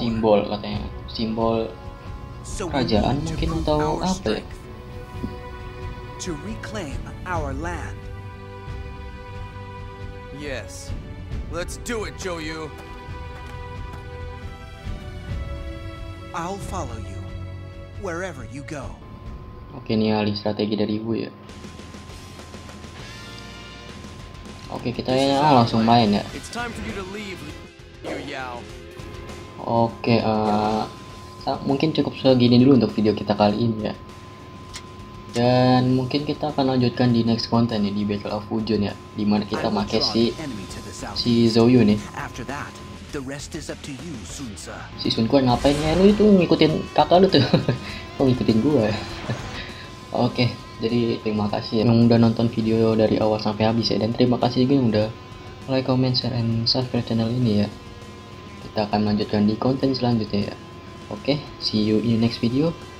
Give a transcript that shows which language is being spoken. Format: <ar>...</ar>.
<id>Simbol katanya. Simbol kerajaan mungkin atau apa ya?</id> <en>To reclaim our land. Yes. Let's do it, Zhou Yu. I'll follow you wherever you go.</en> <id>Oke, ini alih strategi dari ibu ya. Oke, kita ya langsung main ya.</id> <en>It's time for you to leave, Liu Yao.</en> <id>Oke, mungkin cukup segini dulu untuk video kita kali ini ya. Dan mungkin kita akan lanjutkan di next content ya, di Battle of Wujun ya, di mana kita make si Zhou Yu nih.</id> <en>The rest is up to you, Sun Ce.</en> <id>Si Sun Quan ngapain ya? Lu itu ngikutin kakak lu tuh. Kok ngikutin gua ya? Oke, jadi terima kasih yang udah nonton video dari awal sampai habis ya. Dan terima kasih juga yang udah like, comment, share, and subscribe channel ini ya. Kita akan lanjutkan di konten selanjutnya ya.</id> <en>Oke, see you in the next video.</en>